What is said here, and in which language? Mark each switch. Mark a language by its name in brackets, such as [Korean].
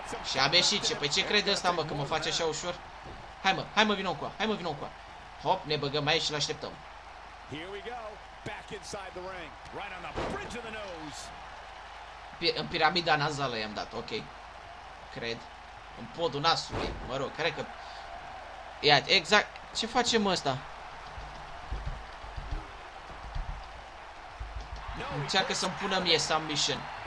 [Romanian] Și a beșit, ce? Păi ce crede ăsta, mă, că mă face așa ușor? Hai, mă, hai, mă, vino cu-a, hai, mă, vino cu-a. Hop, ne băgăm aici și-l așteptăm. [English] Here we go, back inside the ring, right on the bridge of the nose. [Romanian] În piramida nazală i-am dat, ok. Cred. În podul nasului, mă rog, cred că... Ia, exact, ce facem ăsta? Încearcă să-mi pună mie submission.